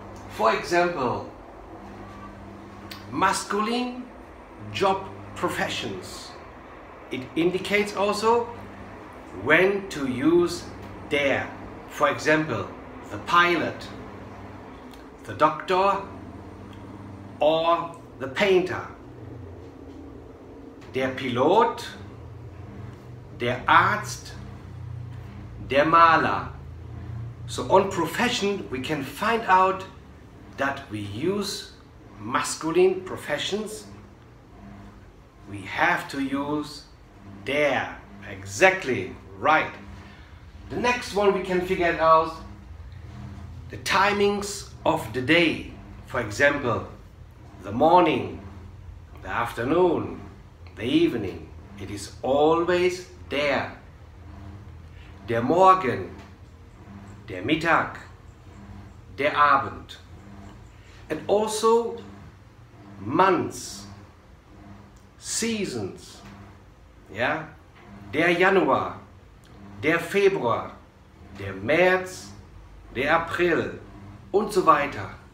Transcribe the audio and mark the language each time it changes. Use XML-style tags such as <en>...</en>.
<en>For example, masculine job professions. It indicates also when to use der. For example, the pilot, the doctor, or the painter.</en> <de>Der Pilot, der Arzt, der Maler.</de> <en>So on profession, we can find out that we use masculine professions. We have to use der. Exactly right. The next one we can figure out, the timings of the day. For example, the morning, the afternoon, the evening, it is always der.</en> <de>Der Morgen, der Mittag, der Abend.</de> <en>And also months, seasons, yeah?</en> <de>Der Januar, der Februar, der März, der April und so weiter.</de>